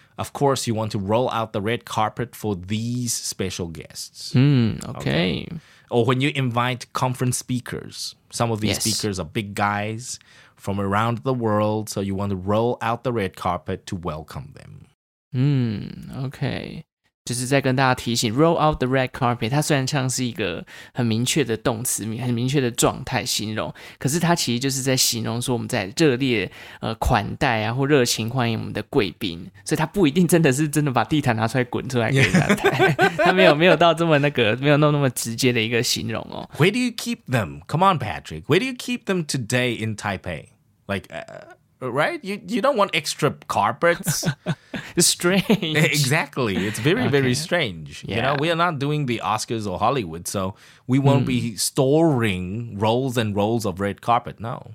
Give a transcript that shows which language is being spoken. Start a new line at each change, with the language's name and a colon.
English: Of course, you want to roll out the red carpet for these special guests. Okay. Or when you invite conference speakers. Some of these speakers are big guys from around the world. So you want to roll out the red carpet to welcome them. Okay.
Chinese: 就是在跟大家提醒
English: roll out the red carpet，
Chinese: 它虽然像是一个很明确的动词，很明确的状态形容，可是它其实就是在形容说我们在热烈款待啊，或热情欢迎我们的贵宾，所以它不一定真的是真的把地毯拿出来滚出来给大家抬，它没有到这么那个，没有弄那么直接的一个形容哦。
English: Where do you keep them? Come on, Patrick. Where do you keep them today in Taipei? Right? You don't want extra carpets? It's strange. Exactly. It's very, okay. very strange. Yeah. You know, we are not doing the Oscars or Hollywood, so we won't be storing rolls and rolls of red carpet, no.